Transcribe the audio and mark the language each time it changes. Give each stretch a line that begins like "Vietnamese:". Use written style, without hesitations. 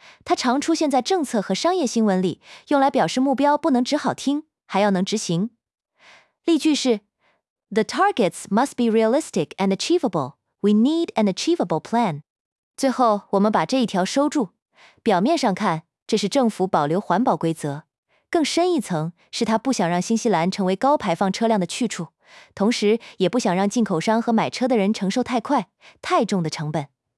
Chinese: 它常出现在政策和商业新闻里，用来表示目标不能只好听，还要能执行。例句是
English: The targets must be realistic and achievable. We need an achievable plan.
Chinese: 最后，我们把这一条收住。表面上看，这是政府保留环保规则。更深一层是他不想让新西兰成为高排放车辆的去处，同时也不想让进口商和买车的人承受太快、太重的成本。